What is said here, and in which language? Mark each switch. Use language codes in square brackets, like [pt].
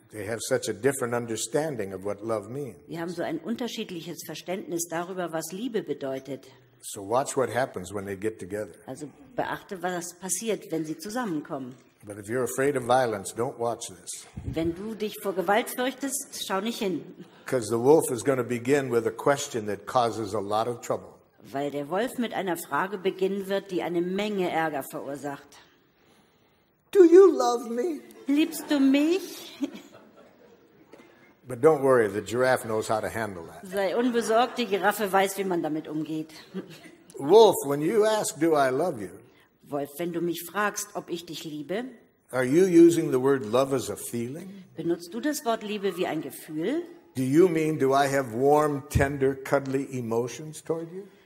[en] They have such a different understanding of what love means. [de] Sie haben so ein unterschiedliches Verständnis darüber, was Liebe bedeutet. [en] So watch what happens when they get together. [de] Also beachte, was passiert, wenn sie zusammenkommen. [en] But if you're afraid of violence, don't watch this. [de] Wenn du dich vor Gewalt fürchtest, schau nicht hin. [en] Because the wolf is going to begin with a question that causes a lot of trouble. [de] Weil der Wolf mit einer Frage beginnen wird, die eine Menge Ärger verursacht. [en] Do you love me? [de] Liebst du mich? [en] But don't worry, the giraffe knows how to handle that. [de] Sei unbesorgt, die Giraffe weiß, wie man damit umgeht. [en] Wolf, when you ask, do I love you? [de] Wolf, wenn du mich fragst, ob ich dich liebe? [en] Are you using the word love as a feeling? [de] Benutzt du das Wort Liebe wie ein Gefühl? [en] Do you mean, do I have warm, tender, cuddly emotions toward you?